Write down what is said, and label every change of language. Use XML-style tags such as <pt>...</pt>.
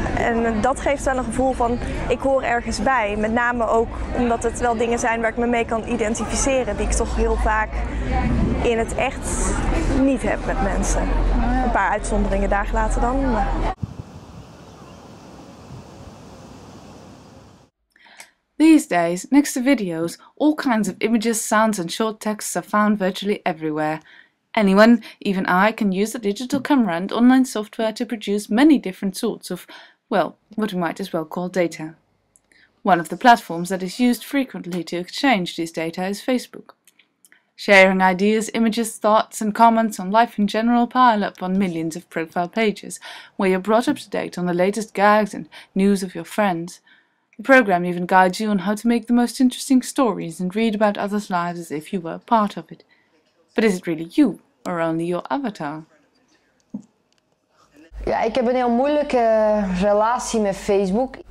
<nl>En dat geeft wel een gevoel van, ik hoor ergens bij. Met name ook omdat het wel dingen zijn waar ik me mee kan identificeren. Die ik toch heel vaak in het echt niet heb met mensen. Een paar uitzonderingen daar gelaten dan.</nl> <en>These days, next to videos, all kinds of images, sounds and short texts are found virtually everywhere. Anyone, even I, can use the digital camera and online software to produce many different sorts of, well, what we might as well call data. One of the platforms that is used frequently to exchange these data is Facebook. Sharing ideas, images, thoughts and comments on life in general pile up on millions of profile pages, where you're brought up to date on the latest gags and news of your friends. The program even guides you on how to make the most interesting stories and read about others' lives as if you were a part of it. But is it really you, or only your avatar?</en> <nl>Ja, ik heb een heel moeilijke relatie met Facebook.</nl>